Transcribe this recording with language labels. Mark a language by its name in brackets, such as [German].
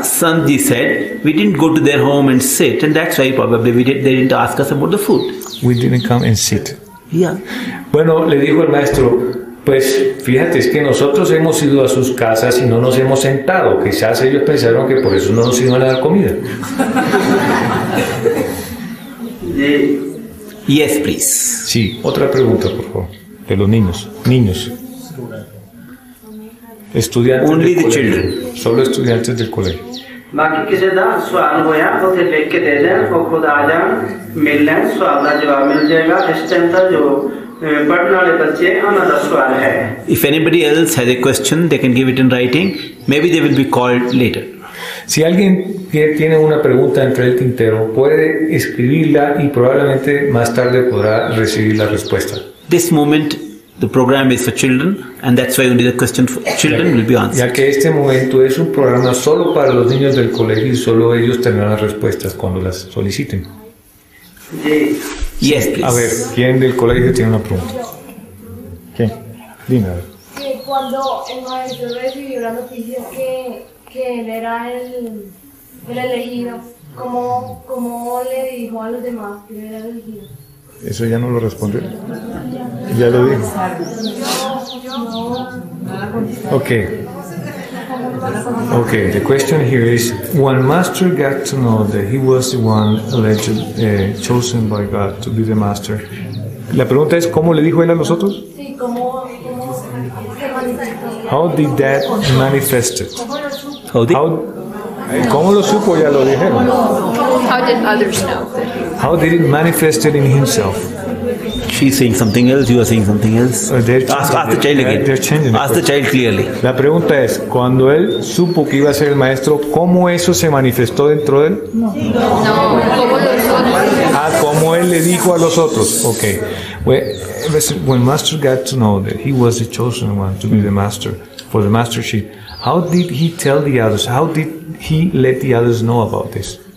[English] Sanji said, we didn't go to their home and sit, and that's why probably they didn't ask us about the food. We didn't come and sit. Yeah. [Spanish] Bueno, le dijo el maestro, Pues fíjate, es que nosotros hemos ido a sus casas y no nos hemos sentado. Quizás ellos pensaron que por eso no nos iban a dar comida. [English] Yes, please. [Spanish] Sí, otra pregunta, por favor. De los niños. Niños. Estudiantes. [English] Only [Spanish] del [English] the [Spanish] colegio. [English] Children. [Spanish] Solo estudiantes del colegio. [English] If anybody else has a question, they can give it in writing. Maybe they will be called later. [Spanish] Si alguien tiene una pregunta entre el tintero, puede escribirla y probablemente más tarde podrá recibir la respuesta. [English] This moment, the program is for children, and that's why only the question for children will be answered. [Spanish] Ya que este momento es un programa solo para los niños del colegio y solo ellos tendrán las respuestas cuando las soliciten. [English] Sí. Yes, please. [Spanish] A ver, ¿quién del colegio tiene una pregunta? ¿Quién? Dime. Cuando el maestro recibió la noticia que él era el elegido, ¿cómo le dijo a los demás que él era el elegido? Eso ya no lo respondió. Ya lo dijo. [English] Okay. Okay, the question here is, when Master got to know that he was the one alleged, chosen by God to be the Master, [Spanish] la pregunta es, ¿cómo le dijo él a los otros? [English] How did that manifest it? [Spanish] ¿Cómo lo supo? Ya lo dijeron. [English] How did others know that? How did it manifest it in himself? She's saying something else, you are saying something else. Ask the child again. Ask the child clearly. [Spanish] La pregunta es, cuando él supo que iba a ser el maestro, ¿cómo eso se manifestó dentro de él? No. Como él le dijo a los otros. Okay. [English] When Master got to know that he was the chosen one to be the master for the mastership, how did he tell the others? How did he let the others know about this?